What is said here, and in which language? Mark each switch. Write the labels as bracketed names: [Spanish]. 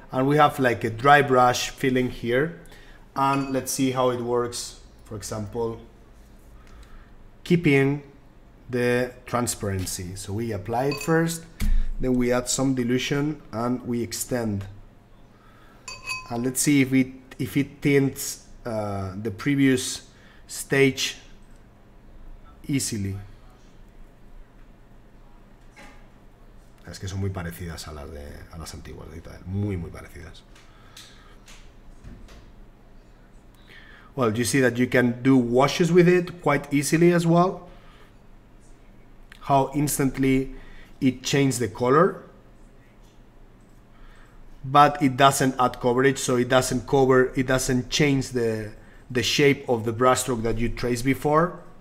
[English] And we have like a dry brush filling here. And let's see how it works, for example, keeping the transparency. So we apply it first, then we add some dilution and we extend. And let's see if it tints the previous stage easily. [Spanish] Es que son muy parecidas a las antiguas de Italia. Muy, muy parecidas. [English] Well, you see that you can do washes with it quite easily as well. How instantly it changes the color. But it doesn't add coverage, so it doesn't cover, it doesn't change the shape of the brush stroke that you traced before.